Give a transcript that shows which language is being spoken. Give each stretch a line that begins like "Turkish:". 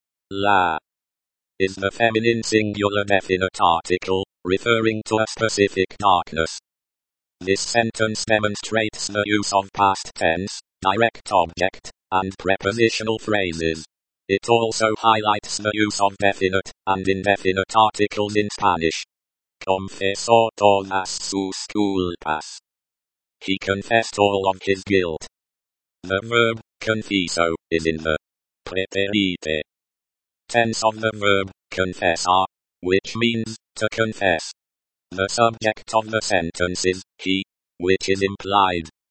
English: La is the feminine singular definite article, referring to a specific darkness. This sentence demonstrates the use of past tense, direct object, and prepositional phrases. It also highlights the use of definite and indefinite articles in Spanish.
Spanish: Confesó todas sus culpas.
English: He confessed all of his guilt. The verb confieso is in the preterite tense of the verb confessar, which means to confess. The subject of the sentence is he, which is implied.